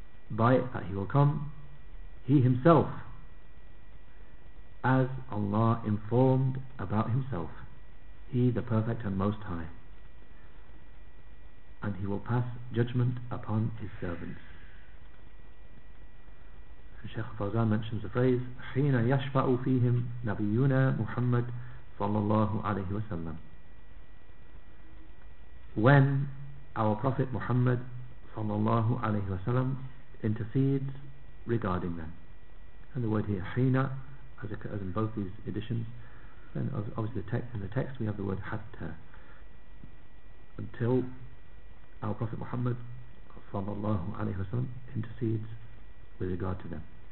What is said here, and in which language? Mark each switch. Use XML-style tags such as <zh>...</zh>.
<en>By it that He will come, He Himself, as Allah informed about Himself, He the Perfect and Most High, and He will pass judgment upon His servants. Shaykh Fawzan mentions the phrase</en> <ar>حين يشفع فيهم نبينا محمد صلى الله عليه وسلم,</ar> <en>when our Prophet Muhammad صلى الله عليه وسلم intercedes regarding them. And the word here حين, as in both these editions, and obviously in the text we have the word حتى, until our Prophet Muhammad صلى الله عليه وسلم intercedes with regard to them.</en>